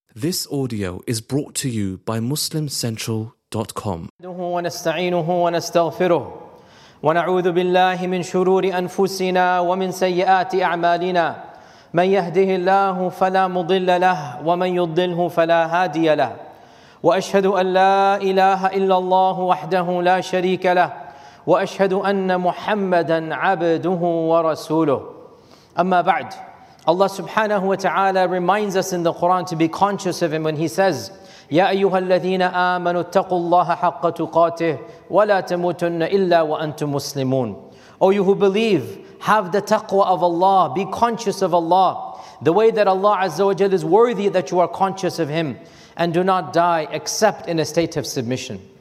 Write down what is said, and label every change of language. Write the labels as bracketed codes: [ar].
[en] This audio is brought to you by MuslimCentral.com. [ar] ونستعينه ونستغفره ونعوذ بالله من شرور أنفسنا ومن سيئات أعمالنا من يهده الله فلا مضل له ومن يضله فلا هادي له وأشهد أن لا إله إلا الله وحده لا شريك له وأشهد أن محمدًا عبده ورسوله أما بعد. [en] Allah subhanahu wa ta'ala reminds us in the Quran to be conscious of him when he says, [ar] يَا أَيُّهَا الَّذِينَ آمَنُوا اتَّقُوا اللَّهَ حَقَّ تُقَاتِهِ وَلَا تَمُوتُنَّ إِلَّا وَأَنْتُمْ مُسْلِمُونَ [en] O you who believe, have the taqwa of Allah, be conscious of Allah, the way that Allah azza wa jal is worthy that you are conscious of him, and do not die except in a state of submission.